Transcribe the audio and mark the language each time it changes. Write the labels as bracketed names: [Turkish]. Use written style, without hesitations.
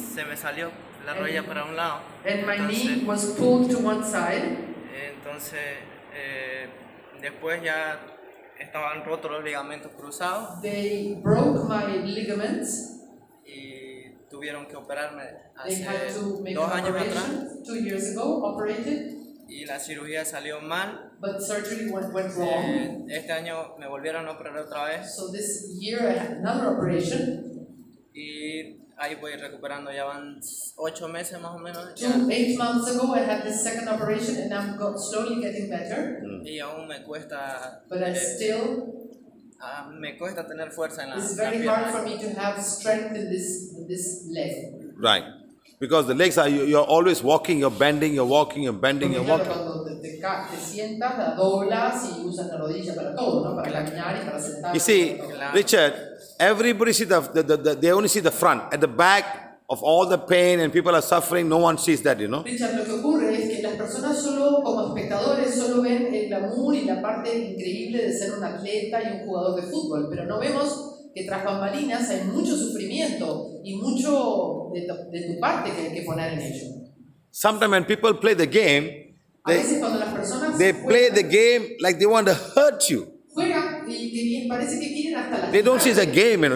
[Spanish] Se me salió la rodilla para un lado. [English] And my knee was pulled to one side. [Spanish] Entonces, después ya estaban rotos los ligamentos cruzados. [English] They broke my ligaments. [Spanish] Y tuvieron que operarme hace [English] they had to make [Spanish] dos años atrás. [English] 2 years ago, operated. [Spanish] Y la cirugía salió mal. [English] But surgery went wrong. [Spanish] Este año me volvieron a operar otra vez. [English] So this year I had another operation. [Spanish] Y ahí voy recuperando, ya van 8 meses más o menos. [English] 8 months ago I had this second operation and I'm slowly getting better. [Spanish] Y aún me cuesta. [English] But I still. [Spanish] Me cuesta tener fuerza en la pierna. [English] It's very hard for me to have strength in this leg. Right. Because the legs are, you're always walking, you're bending, you're walking, you're bending, you're walking. [Spanish] Cuando te sientas, la doblas y usas la rodilla para todo, ¿no? Para caminar y para sentar. [English] You see, Richard, everybody see they only see the front. At the back of all the pain and people are suffering, no one sees that, you know? [Spanish] Richard, lo que ocurre es que las personas solo, como espectadores, solo ven el glamour y la parte increíble de ser un atleta y un jugador de fútbol, pero no vemos que tras bambalinas hay mucho sufrimiento y mucho de tu parte que hay que poner en ello. [English] Sometimes when people play the game, they play the game like they want to hurt you. They don't see it's a game, you know.